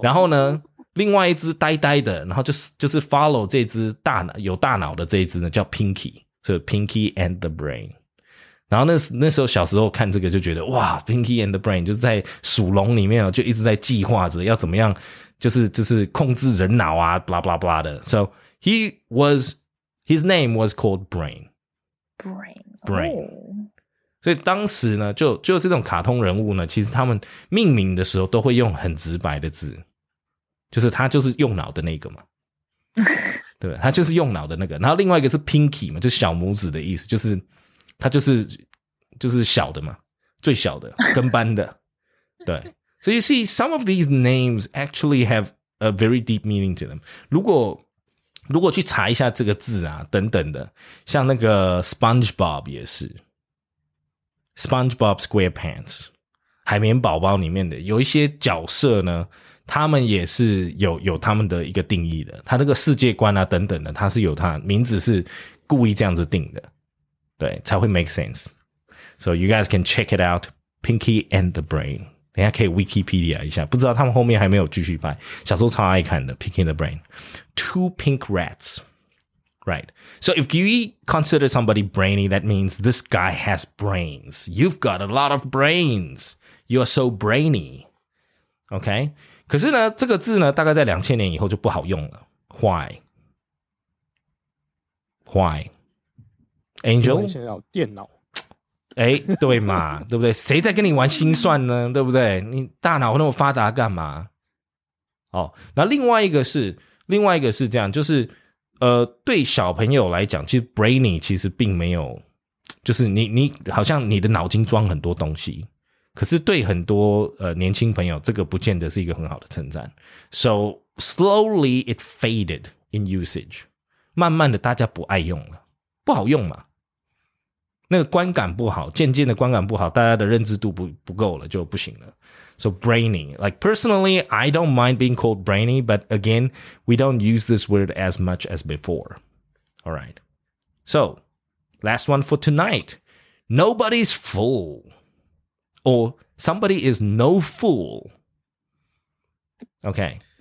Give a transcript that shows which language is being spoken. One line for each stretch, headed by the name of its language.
Chinese: 然后呢，另外一只呆呆的，然后就是 follow 这只大脑有大脑的这一只呢，叫 Pinky， 所以 Pinky and the Brain。然后那时候小时候看这个就觉得哇 ，Pinky and the Brain 就是在鼠笼里面就一直在计划着要怎么样，就是控制人脑啊 ，
English: blah blah blah
Chinese: 的。
English: So he was his name was called Brain， Brain、oh.。
Chinese: 所以当时呢，就这种卡通人物呢，其实他们命名的时候都会用很直白的字，就是他就是用脑的那个嘛。对，他就是用脑的那个。然后另外一个是 Pinky 嘛，就是小拇指的意思，就是。他就是小的嘛，最小的跟班的。对。
English: So you see, some of these names actually have a very deep meaning to them.
Chinese: 如果去查一下这个字啊等等的，像那个 SpongeBob 也是。 SpongeBob SquarePants, 海绵宝宝里面的有一些角色呢，他们也是有他们的一个定义的。他那个世界观啊等等的，他是有他名字是故意这样子定的。对，才会
English: make sense. So you guys can check it out, Pinky and the Brain.
Chinese: 等一下可以 Wikipedia 一下，不知道他们后面还没有继续拍。小时候超爱看的
English: Pinky and the Brain, two pink rats, right? So if you consider somebody brainy, that means this guy has brains. You've got a lot of brains. You are so brainy. Okay.
Chinese: 可是呢，这个字呢，大概在2000年以后就不好用了。
English: Why? Why? Angel，
Chinese: 电脑，哎，对嘛，对不对？谁在跟你玩心算呢？对不对？你大脑那么发达干嘛？哦，那另外一个是这样，就是对小朋友来讲，其实 brainy 其实并没有，就是你好像你的脑筋装很多东西，可是对很多年轻朋友，这个不见得是一个很好的称赞。
English: So slowly it faded in usage，
Chinese: 慢慢的大家不爱用了。不好用嘛，那个观感不好，渐渐的观感不好，大家的认知度不够了，就不行了。
English: So brainy, like personally, I don't mind being called brainy, but again, we don't use this word as much as before. All right. So, last one for tonight. Nobody's fool, or somebody is no fool. Okay.